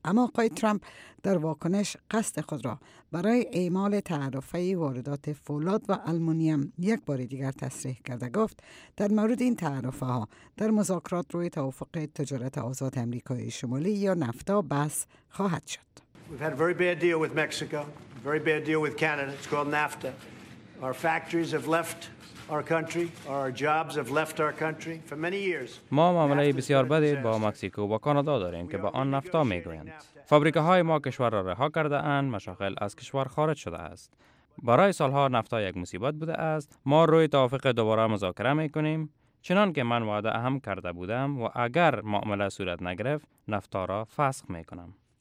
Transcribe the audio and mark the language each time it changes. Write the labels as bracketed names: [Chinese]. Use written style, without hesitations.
[Persian] اما آقای ترامپ در واکنش قصد خود را برای اعمال تعرفه واردات فولاد و آلومینیوم یک بار دیگر تصریح کرده، گفت در مورد این تعرفه ها در مذاکرات روی توافق تجارت آزاد آمریکای شمالی یا نفتا بحث خواهد شد. [English] We've had a very bad deal with Mexico, very bad deal with Canada. It's called NAFTA. Our factories have left our country, our jobs have left our country for many years. [Persian] ما معامله بسیار بدی با مکزیکو و کانادا داریم که به آن نفتا میگویند. فابریکه های ما کشور را رها کرده اند، مشاغل از کشور خارج شده است. برای سالها نفتا یک مصیبت بوده است. ما روی توافق دوباره مذاکره میکنیم، چنان که من وعده اهم کرده بودم، و اگر معامله صورت نگرفت نفتا را فسخ میکنم.